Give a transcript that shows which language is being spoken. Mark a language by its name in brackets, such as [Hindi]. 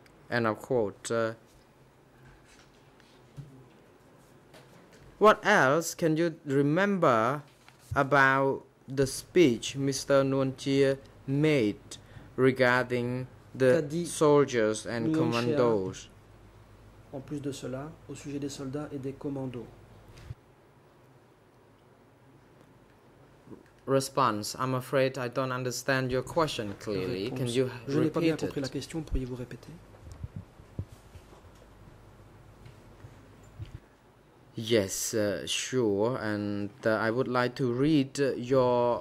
[English] And I'll quote, what else can you remember about the speech Mr. Nguyen Chia made regarding the soldiers and commandos? [French] En plus de cela, au sujet des soldats et des commandos. [English] Response: I'm afraid I don't understand your question clearly. Can you repeat it? [French] Je n'ai pas bien compris la question. Pourriez-vous répéter? [English] Yes, sure, and I would like to read your